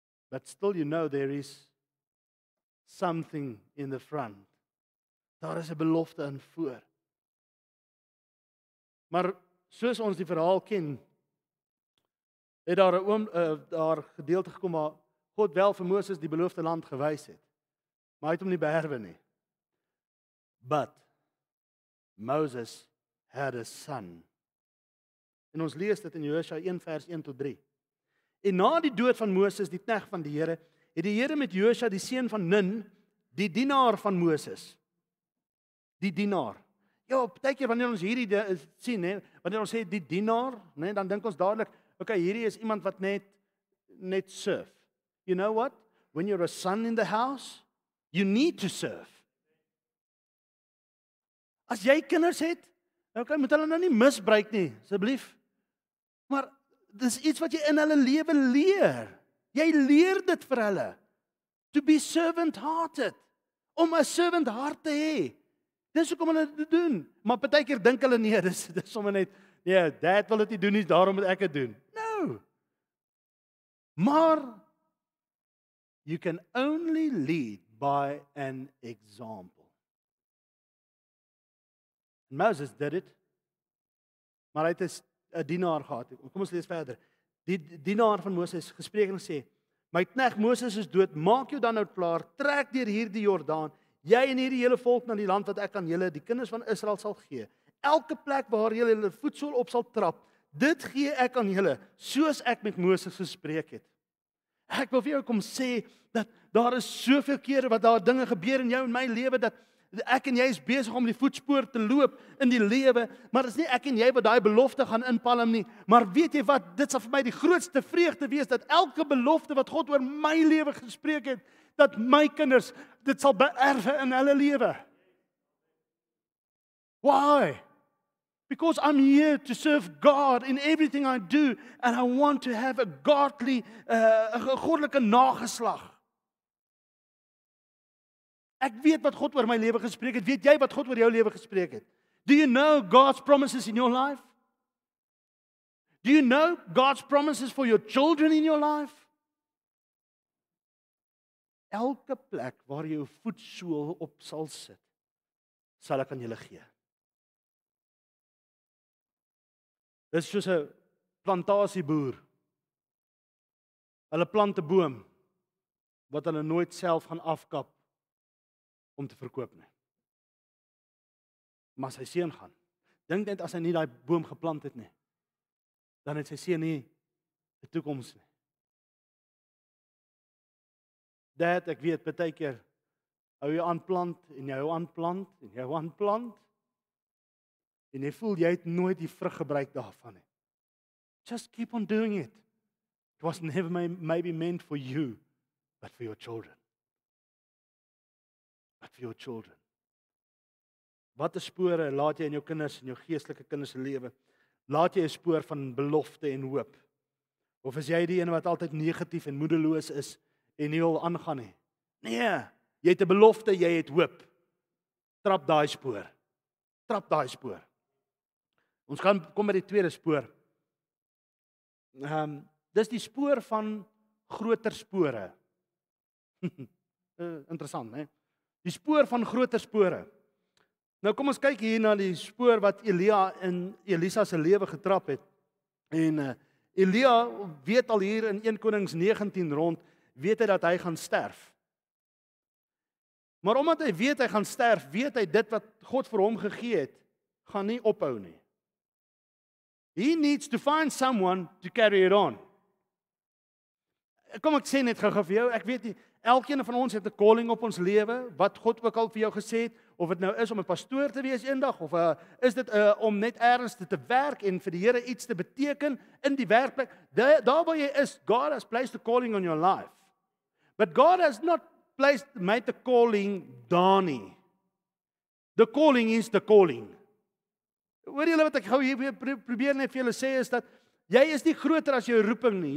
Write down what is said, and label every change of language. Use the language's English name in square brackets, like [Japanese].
[English] But still you know there is something in the front. [Afrikaans] Daar is 'n belofte in voor. Maar soos ons die verhaal ken, het daar 'n daar gedeelte gekom waar God wel vir Moses die beloofde land gewys het. Maar hy het hom nie beherwe nie. [English] But Moses had a son. [Afrikaans] En ons lees dit in Josua 1 vers 1 tot 3. En na die dood van Moses, die knegt van die Here, het die Here met Josua die seun van Nun, die dienaar van Moses, die dienaar. Ja, partykeer wanneer ons hierdie sien, hè, wanneer ons sê die dienaar, hè, dan dink ons dadelik okay, hierdie is iemand wat net surf. [English] You know what? When you're a son in the house, you need to surf. [Afrikaans] As jy kinders het, okay, moet hulle nou nie misbruik nie, asseblief. Maar dis iets wat jy in hulle lewe leer. Jy leer dit vir hulle. [English] To be servant-hearted. [Afrikaans] Om 'n servant hart te hê. Dis hoekom hulle dit doen. Maar partykeer dink hulle nee, dis sommer net nee, dad wil dit nie doen nie, daarom moet ek dit doen. [English] Maar you can only lead by an example. Moses did it. [Afrikaans] Maar hy het 'n dienaar gehad. Kom ons lees verder. Die dienaar van Moses gespreek en sê: "My knegt Moses is dood. Maak jou dan nou klaar. Trek deur hierdie Jordaan, jy en hierdie hele volk na die land wat ek aan julle, die kinders van Israel sal gee. Elke plek waar julle hulle voetsool op sal trap, dit gee ek aan julle, soos ek met Moses gespreek het." Ek wil vir jou kom sê dat daar is soveel kere wat daar dinge gebeur in jou en my lewe dat ek en jy is besig om die voetspoor te loop in die lewe, maar dit is nie ek en jy wat daai belofte gaan inpalm nie, maar weet jy wat, dit sal vir my die grootste vreugde wees dat elke belofte wat God oor my lewe gespreek het, dat my kinders dit sal beerwe in hulle lewe. [English] Why? Because I'm here to serve God in everything I do and I want to have a godly goddelike nageslag. [Afrikaans] Ek weet wat God oor my lewe gespreek het. Weet jy wat God oor jou lewe gespreek het? [English] Do you know God's promises in your life? Do you know God's promises for your children in your life? [Afrikaans] Elke plek waar jou voetsool op sal sit, sal ek aan julle gee. Dit is soos 'n plantasieboer. Hulle plant 'n boom wat hulle nooit self gaan afkap om te verkoop nie. Maar sy seun gaan. Dink net as hy nie daai boom geplant het nie, dan het sy seun nie 'n toekoms nie. Dat ek weet baie keer hou jy aan plant en jy hou aan plant en jy hou aan plant en jy voel jy het nooit die vrug gebruik daarvan nie. [English] Just keep on doing it. It was never maybe meant for you, but for your children. But for your children. [Afrikaans] Watter spore laat jy in jou kinders en jou geestelike kinders se lewe? Laat jy 'n spoor van belofte en hoop? Of is jy die een wat altyd negatief en moedeloos is en nie wil aangaan nie? Nee, jy het 'n belofte, jy het hoop. Trap daai spoor. Trap daai spoor. Ons gaan kom by die tweede spoor. Dis die spoor van groter spore. interessant, hè? Die spoor van groter spore. Nou kom ons kyk hier na die spoor wat Elia in Elisa se lewe getrap het. En Elia weet al hier in 1 Konings 19 rond, weet hy dat hy gaan sterf. Maar omdat hy gaan sterf, weet hy dit wat God vir hom gegee het, gaan nie ophou nie. [English] He needs to find someone to carry it on. [Afrikaans] Kom ek sê net gou-gou vir jou, ek weet nie, elkeen van ons het 'n calling op ons lewe, wat God ook al vir jou gesê het, of dit nou is om 'n pastoor te wees eendag, of is dit om net ergens te werk en vir die Here iets te beteken in die werkplek. Daar waar jy is, [English] God has placed a calling on your life. But God has not made the calling Danny. The calling is the calling. [Afrikaans] Hoor julle wat ek gou hier probeer net vir julle sê is dat jy is nie groter as jou roeping nie.